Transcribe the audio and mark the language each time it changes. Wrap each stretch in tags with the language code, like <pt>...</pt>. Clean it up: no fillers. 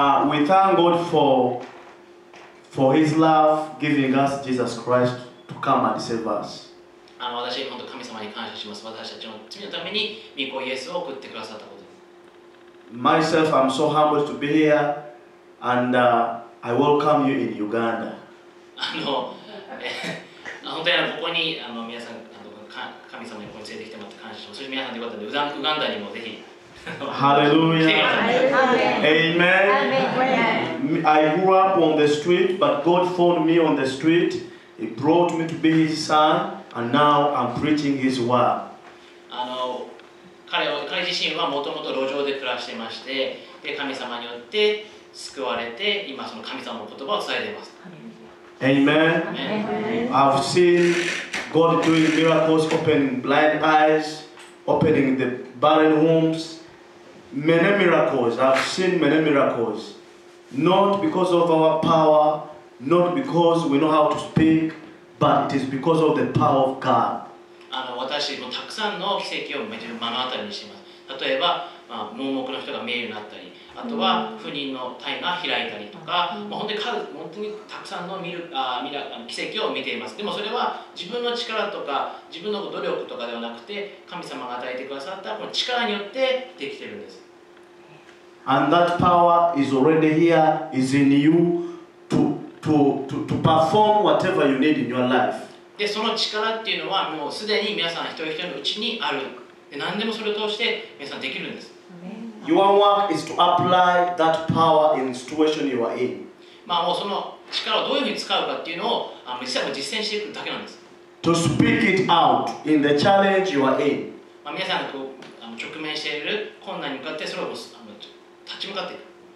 <en>We thank God for His love giving us Jesus Christ to come and save us.</en> <ja>私本当に神様に感謝します。私たちの罪のために御子イエスを送ってくださったことです。</ja> <en>Myself, I'm so humbled to be here, and I welcome you in Uganda.</en> <ja>本当にここに皆さん神様にここに連れてきてもらって感謝します。そして皆さんということでウガンダにもぜひ。</ja> <en>Hallelujah. Amen. I grew up on the street, but God found me on the street. He brought me to be His son. And now I'm preaching His word.</en> <ja>彼自身はもともと路上で暮らしていまして、で神様によって救われて、今その神様の言葉を伝えています。</ja> <en>Amen. Amen. I've seen God doing miracles, opening blind eyes, opening the barren wombs. Many miracles. I've seen many miracles. Not because of our power, not because we know how to speak. But it is because of the power of God.</en> <ja>私もたくさんの奇跡を目の当たりにしています。例えば、盲目の人が見えるようになったり、あとは不妊の胎が開いたりとか、本当にたくさんの奇跡を見ています。でもそれは自分の力とか自分の努力とかではなくて、神様が与えてくださったこの力によってできているんです。</ja> <en>And that power is already here, is in you. To perform whatever you need in your life.</en> <ja>で、その力っていうのはもうすでに皆さん一人一人のうちにあるで何でもそれを通して皆さんできるんです。</ja> <en>Your work is to apply that power in the situation you are in.</en> <ja>まあもうその力をどういうふうに使うかっていうのを皆さんも実践していくだけなんです。</ja> <en>To speak it out in the challenge you are in.</en> <ja>まあ皆さんがこう直面している困難に向かってそれを立ち向かっていく。</ja>